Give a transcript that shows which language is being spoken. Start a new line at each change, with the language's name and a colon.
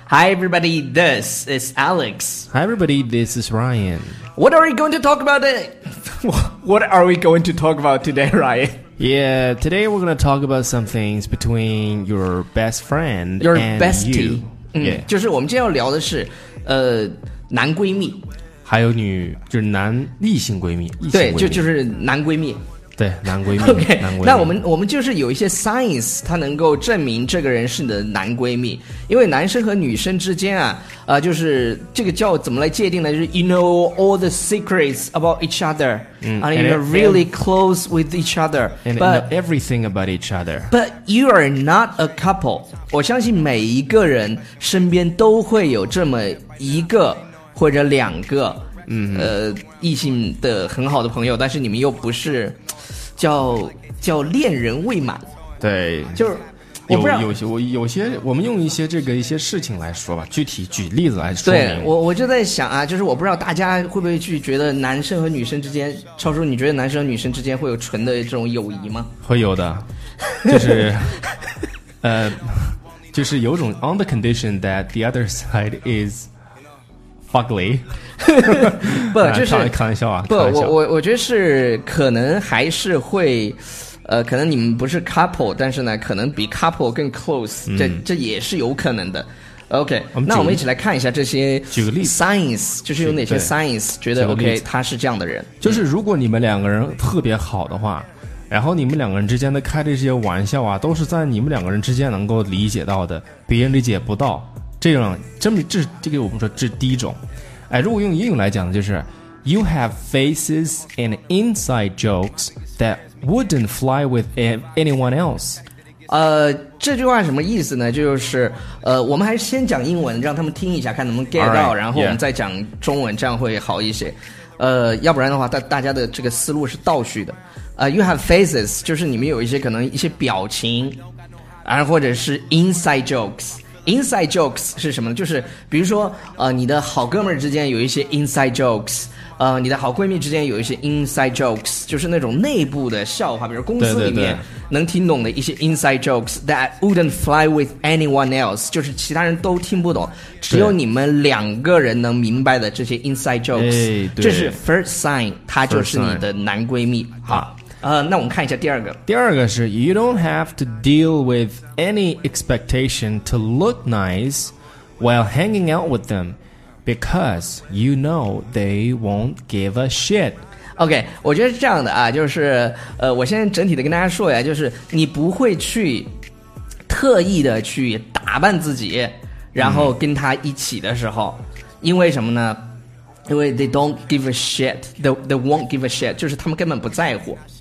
English: Hi everybody, this is Alex. Hi everybody, this is Ryan. What are we going to talk about today? What are we going to talk about today, Ryan? Yeah, today we're going to talk about some things between your best friend your and bestie. You. Yeah.
Chinese: 就是我们今天要聊的是，男闺蜜，还有女，就是男异性闺蜜。对，就是男闺蜜。对，男闺蜜。
English: OK，
Chinese: 男闺蜜。那我们就是有一些 science， 它能够证明这个人是你的男闺蜜。因为男生和女生之间啊，就是这个叫怎么来界定呢？就是
English: you know all the secrets about each other， and you're really close with each other， and but know everything about each other。 But you are not a couple。
Chinese: 我相信每一个人身边都会有这么一个或者两个，异性的很好的朋友，但是你们又不是。叫恋人未满，对，就是有些我们用一些事情来说吧，具体举例子来说明。对，我就在想啊，就是我不知道大家会不会去觉得男生和女生之间，超叔，你觉得男生和女生之间会有纯的这种友谊吗？会有的，就是就是有种
English: on the condition that the other side is fugly。
Chinese: 不，就是开玩笑啊！不，我觉得是可能还是会，可能你们不是 couple， 但是呢，可能比 couple 更 close，这也是有可能的。 OK， 那我们一起来看一下这些 science， 就是有哪些 science 觉得 OK， 他是这样的人。就是如果你们两个人特别好的话，然后你们两个人之间的开的这些玩笑啊，都是在你们两个人之间能够理解到的，别人理解不到。这个我们说这是第一种。哎，如果用英语来讲的就是
English: You have faces and inside jokes that wouldn't fly with anyone else。
Chinese: 这句话什么意思呢？就是我们还是先讲英文让他们听一下，看能不能 get 到。
English: All right,
Chinese: 然后我们再讲中文，
English: yeah.
Chinese: 这样会好一些。要不然的话大家的这个思路是倒叙的。
English: You have faces，
Chinese: 就是你们有一些可能一些表情，然后或者是 inside jokes。 Inside jokes 是什么呢？就是比如说，你的好哥们儿之间有一些
English: inside jokes， 你的好闺蜜之间有一些 inside jokes， 就是那种内部的笑话，比如公司里面能听懂的一些 inside jokes that wouldn't fly with anyone else，
Chinese: 就是其他人都听不懂，只有你们两个人能明白的这些 inside jokes。这是 first sign， 她就是你的男闺蜜。那我们看一下第二个。第二个是
English: You don't have to deal with any expectation to look nice while hanging out with them because you know they won't give a shit.
Chinese: OK， 我觉得是这样的啊，就是我先整体的跟大家说呀，就是你不会去特意的去打扮自己然后跟他一起的时候，因为什么呢？因为
English: they don't give a shit，
Chinese: they won't give a shit， 就是他们根本不在乎，